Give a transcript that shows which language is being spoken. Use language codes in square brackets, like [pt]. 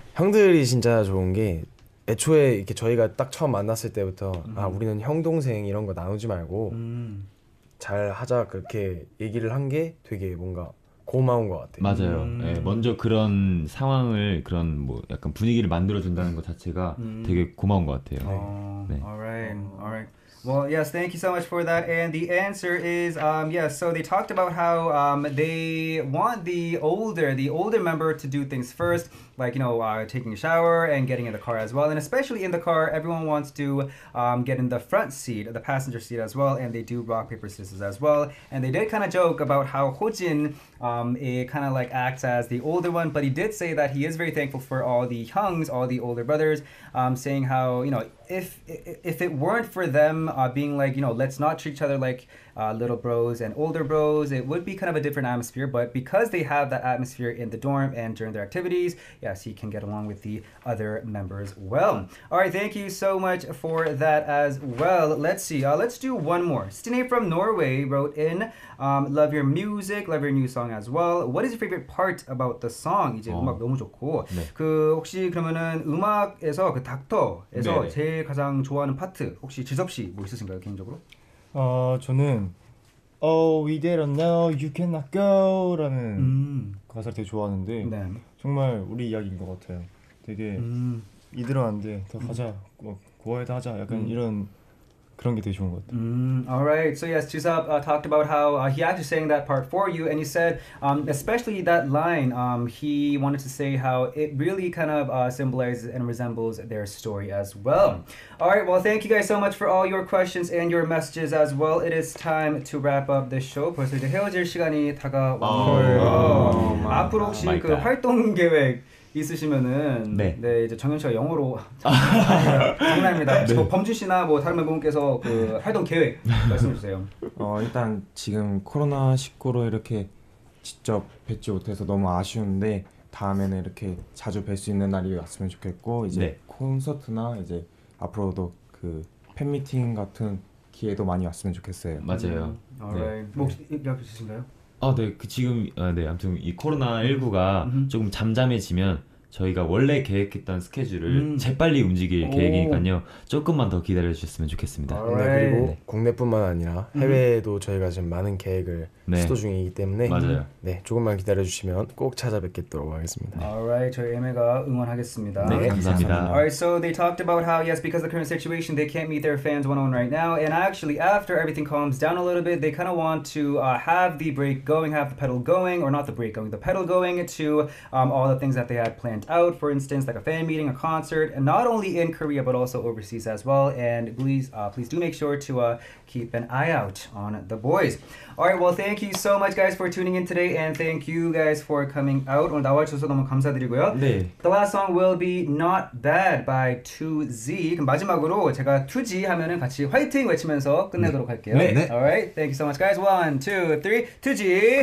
[ko] 형들이 진짜 좋은 게 애초에 이렇게 저희가 딱 처음 만났을 때부터 아 우리는 형 동생 이런 거 나누지 말고 잘 하자 그렇게 얘기를 한 게 되게 뭔가 고마운 것 같아요. 맞아요. 네, 먼저 그런 상황을 그런 뭐 약간 분위기를 만들어 준다는 것 자체가 되게 고마운 것 같아요. 네. 네. [en] Alright, alright. Well, yes, thank you so much for that. And the answer is, yes, so they talked about how they want the older member to do things first, like, you know, taking a shower and getting in the car as well. And especially in the car, everyone wants to get in the front seat, the passenger seat as well, and they do rock, paper, scissors as well. And they did kind of joke about how Hojin kind of like acts as the older one, but he did say that he is very thankful for all the Hyungs, all the older brothers, saying how, you know, if it weren't for them being like, you know, let's not treat each other like little bros and older bros, it would be kind of a different atmosphere. But because they have that atmosphere in the dorm and during their activities, yes, he can get along with the other members well. All right, thank you so much for that as well. Let's see. Let's do one more. Stine from Norway wrote in, love your music, love your new song as well. What is your favorite part about the song? [ko] 이제 음악 너무 좋고. 네. 그 혹시 그러면은 음악에서 그 닥터에서 네. 제일 가장 좋아하는 파트 혹시 지섭 씨 뭐 있으신가요 개인적으로? 저는 [en] Oh, we did it now, you cannot go [ko] 라는 가사를 되게 좋아하는데 네. 정말 우리 이야기인 것 같아요. 되게 이들어왔는데 더 가자, 고아에다 하자 약간 이런 그런 게 되게 좋은 것 같아요. [en] Alright, so yes, Jisup talked about how he actually sang that part for you and he said especially that line, he wanted to say how it really kind of symbolizes and resembles their story as well. Alright, well thank you guys so much for all your questions and your messages as well. It is time to wrap up this show. [ko] 벌써 이제 헤어질 시간이 다가왔어요. 앞으로 혹시 그 활동 계획 있으시면은 네. 네 이제 정현 씨가 영어로 장난입니다. 네. 저 범준 씨나 뭐 다른 멤버분께서 그 활동 계획 말씀해 주세요. 일단 지금 코로나 19로 이렇게 직접 뵙지 못해서 너무 아쉬운데 다음에는 이렇게 자주 뵐 수 있는 날이 왔으면 좋겠고 이제 네. 콘서트나 이제 앞으로도 그 팬 미팅 같은 기회도 많이 왔으면 좋겠어요. 맞아요. 네. 혹시 이 앞에 있으신가요? 아, 네. 그 지금 아, 네. 아무튼 이 코로나19가 조금 잠잠해지면 저희가 원래 계획했던 스케줄을 재빨리 움직일 계획이니까요. 조금만 더 기다려 주셨으면 좋겠습니다. 네, 그리고 네. 국내뿐만 아니라 해외에도 저희가 지금 많은 계획을 네. 수도 중이기 때문에 맞아요. 네. 조금만 기다려 주시면 꼭 찾아뵙겠도록 하겠습니다. 네. Alright, 저희 MA가 응원하겠습니다. 네, 감사합니다. [en] Alright, so they talked about how yes, because of the current situation, they can't meet their fans one on one right now. And actually, after everything calms down a little bit, they kind of want to have the break going, have the pedal going, or not the break going, the pedal going to all the things that they had planned. Out for instance like a fan meeting, a concert, and not only in Korea but also overseas as well. And please please do make sure to keep an eye out on the boys. All right, well thank you so much guys for tuning in today and thank you guys for coming out. [ko] 오늘 나와주셔서 너무 감사드리고요. 네. [en] The last song will be Not Bad by 2Z. [ko] 그럼 마지막으로 제가 2Z 하면은 같이 화이팅 외치면서 끝내도록 할게요. 네. 네. [en] All right, thank you so much guys. 1, 2, 3, 2Z.